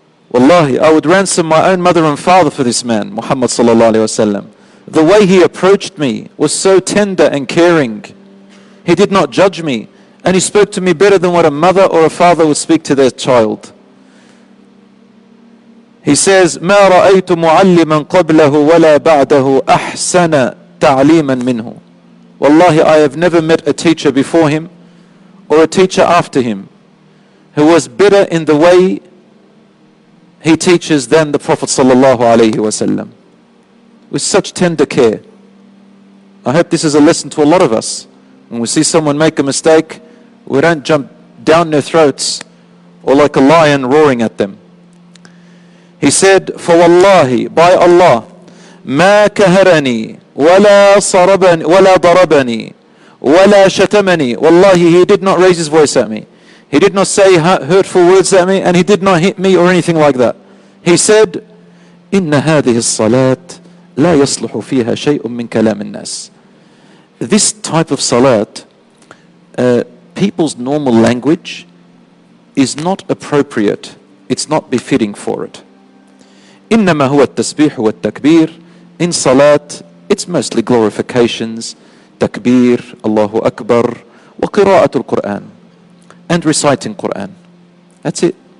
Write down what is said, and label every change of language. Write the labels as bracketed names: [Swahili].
[English] Wallahi, I would ransom my own mother and father for this man, Muhammad sallallahu alaihi wasallam. The way he approached me was so tender and caring. He did not judge me, and he spoke to me better than what a mother or a father would speak to their child. He says, [Arabic] ما رأيت معلما قبله ولا بعده أحسن تعليما منه. [English] Wallahi, I have never met a teacher before him or a teacher after him who was better in the way he teaches than the Prophet sallallahu alayhi wasallam, with such tender care. I hope this is a lesson to a lot of us. When we see someone make a mistake, we don't jump down their throats or like a lion roaring at them. He said, [Arabic] فَوَاللَّهِ [English] by Allah, [Arabic] مَا كَهَرَنِي وَلَا صَرَبَنِي وَلَا ضَرَبَنِي وَلَا شَتَمَنِي. [English] Wallahi, he did not raise his voice at me. He did not say hurtful words at me, and he did not hit me or anything like that. He said, [Arabic] إِنَّ هَذِهِ الصَّلَاةِ لَا يَصْلُحُ فِيهَا شَيْءٌ مِّن كَلَامِ النَّاسِ. [English] This type of salat, people's normal language is not appropriate. It's not befitting for it. [Arabic] إِنَّمَا هُوَ التَّسْبِيحُ وَالتَّكْبِيرُ. [English] In salat, it's mostly glorifications, takbir, Allahu Akbar, [Arabic] وَقِرَاءَةُ الْقُرْآنِ, [English] and reciting Quran. That's it.